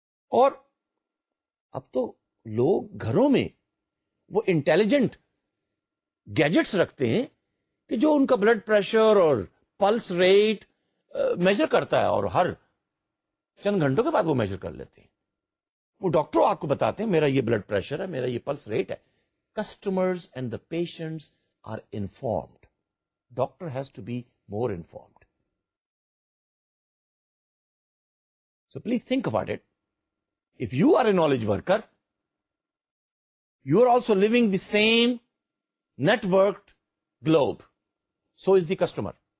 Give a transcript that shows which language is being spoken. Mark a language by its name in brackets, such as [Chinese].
[Urdu] اور اب تو لوگ گھروں میں وہ انٹیلیجنٹ گیجٹس رکھتے ہیں کہ جو ان کا بلڈ پریشر اور پلس ریٹ, میجر کرتا ہے اور ہر چند گھنٹوں کے بعد وہ میجر کر لیتے ہیں. وہ ڈاکٹر آپ کو بتاتے ہیں میرا یہ بلڈ پریشر ہے, میرا یہ پلس ریٹ ہے. [English] Customers and the patients are informed. Doctor has to be more informed. So please think about it. If you are a knowledge worker, you are also living the same networked globe, so is the customer.